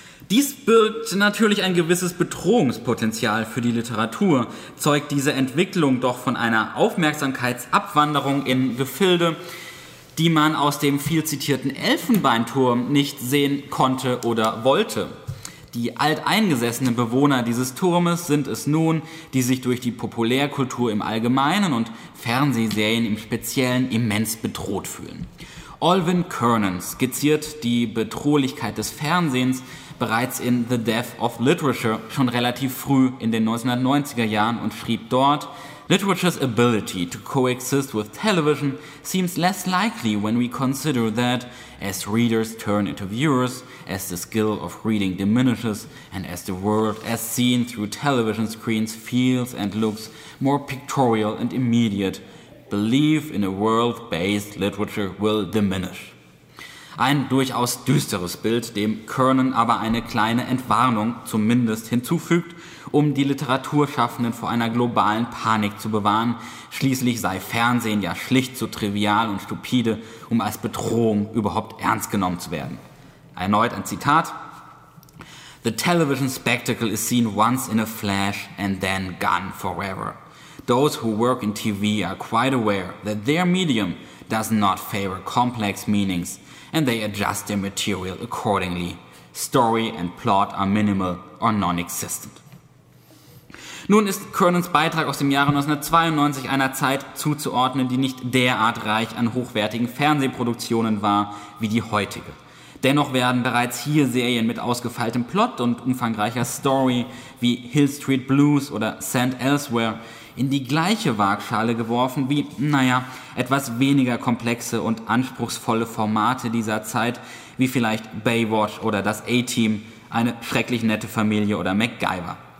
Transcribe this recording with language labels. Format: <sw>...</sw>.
<de>Dies birgt natürlich ein gewisses Bedrohungspotenzial für die Literatur, zeugt diese Entwicklung doch von einer Aufmerksamkeitsabwanderung in Gefilde, die man aus dem viel zitierten Elfenbeinturm nicht sehen konnte oder wollte. Die alteingesessenen Bewohner dieses Turmes sind es nun, die sich durch die Populärkultur im Allgemeinen und Fernsehserien im Speziellen immens bedroht fühlen. Olwyn Kernan skizziert die Bedrohlichkeit des Fernsehens bereits in The Death of Literature schon relativ früh in den 1990er Jahren und schrieb dort:</de> <en>"Literature's ability to coexist with television seems less likely when we consider that, as readers turn into viewers, as the skill of reading diminishes, and as the world as seen through television screens feels and looks more pictorial and immediate, belief in a world-based literature will diminish."</en> <de>Ein durchaus düsteres Bild, dem Kernan aber eine kleine Entwarnung zumindest hinzufügt, um die Literaturschaffenden vor einer globalen Panik zu bewahren. Schließlich sei Fernsehen ja schlicht zu trivial und stupide, um als Bedrohung überhaupt ernst genommen zu werden. Erneut ein Zitat:</de> <en>"The television spectacle is seen once in a flash and then gone forever. Those who work in TV are quite aware that their medium does not favor complex meanings and they adjust their material accordingly. Story and plot are minimal or non-existent."</en> <de>Nun ist Kernans Beitrag aus dem Jahre 1992 einer Zeit zuzuordnen, die nicht derart reich an hochwertigen Fernsehproduktionen war wie die heutige. Dennoch werden bereits hier Serien mit ausgefeiltem Plot und umfangreicher Story wie Hill Street Blues oder Sand Elsewhere in die gleiche Waagschale geworfen wie, naja, etwas weniger komplexe und anspruchsvolle Formate dieser Zeit wie vielleicht Baywatch oder das A-Team, Eine schrecklich nette Familie oder MacGyver.</de>